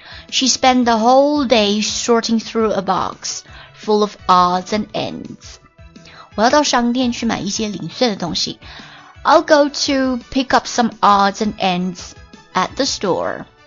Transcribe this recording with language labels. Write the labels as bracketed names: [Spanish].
[English] She spent the whole day sorting through a box full of odds and ends. [Chinese] 我要到商店去买一些零碎的东西。 [English] I'll go to pick up some odds and ends at the store.